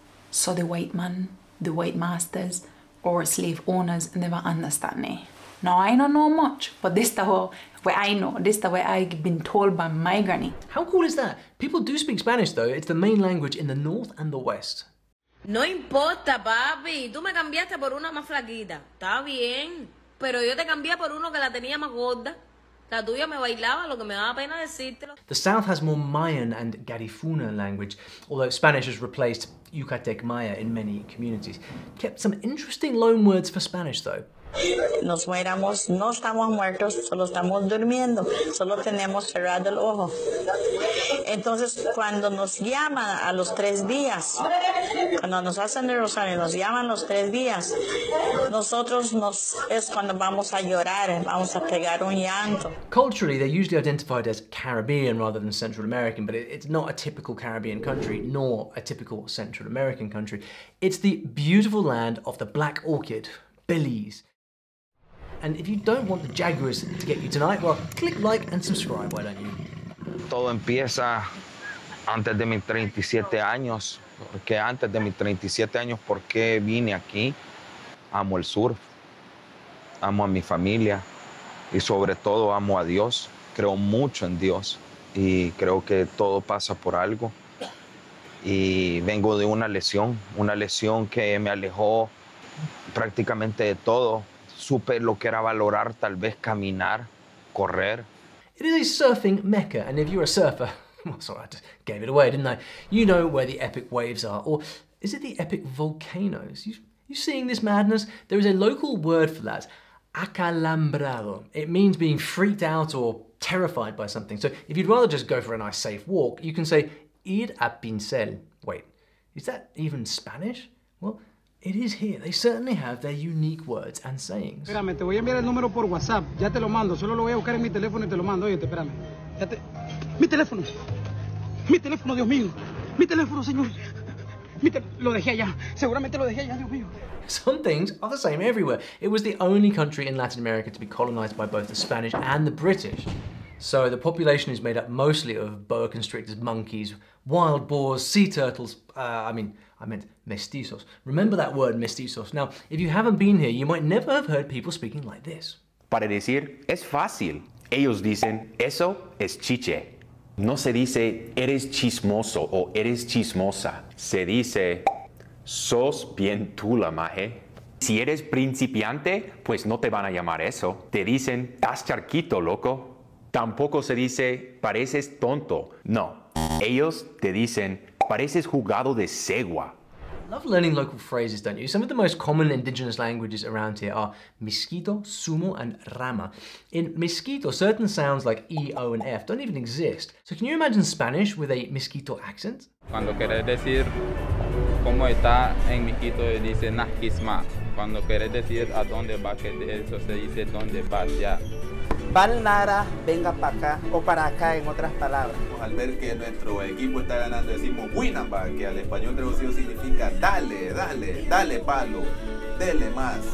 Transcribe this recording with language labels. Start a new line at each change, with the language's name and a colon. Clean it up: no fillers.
English: So the white man, the white masters, or slave owners never understand me. Now, I don't know much, but this is the way I know. This is the way I've been told by my granny. How cool is that? People do speak Spanish, though. It's the main language in the North and the West.
Spanish: No importa, papi. Tú me cambiaste por una más flaquita. Está bien. Pero yo te cambié por uno que la tenía más gorda. La tuya me bailaba, lo que me daba pena decírtelo.
English: The South has more Mayan and Garifuna language, although Spanish has replaced Yucatec Maya in many communities. Kept some interesting loan words for Spanish, though.
Spanish: Nos mueramos, no estamos muertos, solo estamos durmiendo, solo tenemos cerrado el ojo. Entonces, cuando nos llaman a los tres días, cuando nos hacen el rosario, nos llaman los tres días, nosotros nos, es cuando vamos a llorar, vamos a pegar un llanto.
English: Culturally, they're usually identified as Caribbean rather than Central American, but it's not a typical Caribbean country, nor a typical Central American country. It's the beautiful land of the black orchid, Belize. And if you don't want the Jaguars to get you tonight, well, click like and subscribe, why don't you?
Spanish: Todo empieza antes de mis 37 años. Porque antes de mis 37 años, ¿por qué vine aquí? Amo el surf, amo a mi familia y sobre todo amo a Dios. Creo mucho en Dios y creo que todo pasa por algo. Y vengo de una lesión que me alejó prácticamente de todo. Supe lo que era valorar, tal vez caminar, correr.
English: It is a surfing mecca, and if you're a surfer, well, sorry, I just gave it away, didn't I? You know where the epic waves are, or is it the epic volcanoes? You seeing this madness? There is a local word for that, acalambrado. It means being freaked out or terrified by something. So if you'd rather just go for a nice safe walk, you can say
Spanish: ir a pincel.
English: Wait, is that even Spanish? Well, it is here. They certainly have their unique words and sayings.
Spanish: Espérame, te voy a enviar el número por WhatsApp. Ya te lo mando. Solo lo voy a buscar en mi teléfono y te lo mando. Oye, espérame. Ya te... Mi teléfono. Mi teléfono, Dios mío. Mi teléfono, señor. Mi te... Lo dejé allá. Seguramente lo dejé allá, Dios mío.
English: Some things are the same everywhere. It was the only country in Latin America to be colonized by both the Spanish and the British. So the population is made up mostly of boa constrictors, monkeys, wild boars, sea turtles, I meant mestizos. Remember that word, mestizos. Now, if you haven't been here, you might never have heard people speaking like this.
Spanish: Para decir, es fácil. Ellos dicen, eso es chiche. No se dice, eres chismoso o eres chismosa. Se dice, sos bien tú la maje. Si eres principiante, pues no te van a llamar eso. Te dicen, estás charquito, loco. Tampoco se dice, pareces tonto. No, ellos te dicen, pareces jugado de cegua.
English: Love learning local phrases, don't you? Some of the most common indigenous languages around here are Miskito, Sumo, and Rama. In Miskito, certain sounds like E, O, and F don't even exist. So can you imagine Spanish with a Miskito accent?
Spanish: Cuando quieres decir cómo está en Miskito, dice Nakisma. Cuando quieres decir a dónde va, que de eso se dice dónde va ya. Balnara, venga para acá, o para acá en otras palabras. Al ver que nuestro equipo está ganando, decimos Winamba, que al español traducido significa dale, dale, dale palo, dele más.